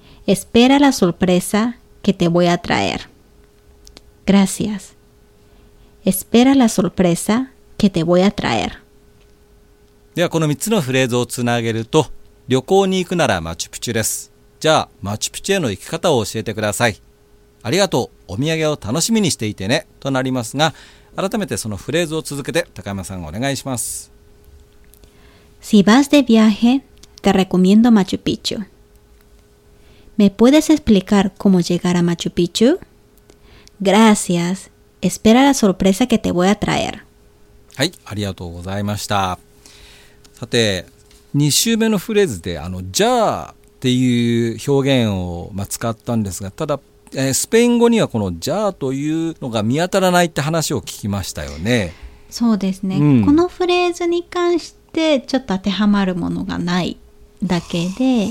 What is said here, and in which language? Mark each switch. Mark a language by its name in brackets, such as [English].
[Spanish] Espera la sorpresa que te voy a traer. Gracias. Espera la sorpresa que te voy a traer. [Japanese] ではこの3つのフレーズをつなげると、旅行に行くならマチュピチュです。じゃあマチュピチュへの行き方を教えてください。ありがとう、お土産を楽しみにしていてねとなりますが、改めてそのフレーズを続けて高山さんお願いします。 [Spanish] Si vas de viaje, te recomiendo Machu Picchu. ¿Me puedes explicar cómo llegar a Machu Picchu? Gracias. Espera la sorpresa que te voy a traer. [Japanese] はい、ありがとうございました。さて2週目のフレーズで、じゃあっていう表現を使ったんですが、ただ、スペイン語にはこのじゃあというのが見当たらないって話を聞きましたよね。そうですね、うん、このフレーズに関してちょっと当てはまるものがないだけで、